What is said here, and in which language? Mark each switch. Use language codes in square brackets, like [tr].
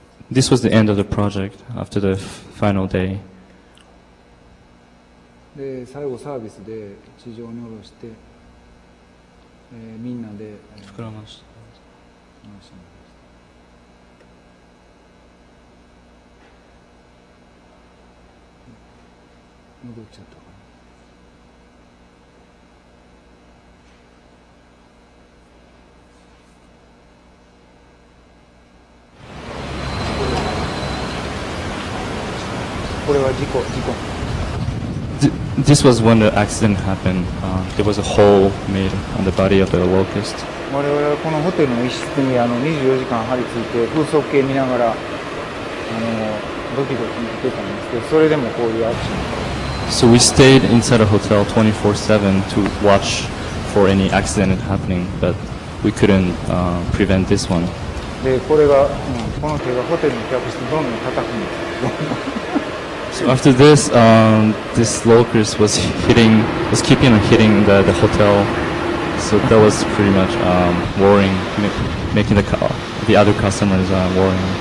[en] This was the end of the project after the final day. [ja] で、最後サービスで地上に下ろして、みんなで膨らました。戻っちゃったかな。これは事故。 [en] This was when the accident happened. There was a hole made on the body of the locust. [ja] 我々はこのホテルの一室に24時間張り付いて風速計見ながらドキドキ見てたんですけど、それでもこういうアクション。 [en] So we stayed inside a hotel 24/7 to watch for any accident happening, but we couldn't prevent this one. [ja] で、これが、この手がホテルの客室どんどん叩くんです。 [en] So after this, this locust was keeping on hitting the hotel. So that was pretty much worrying, making the other customers worrying.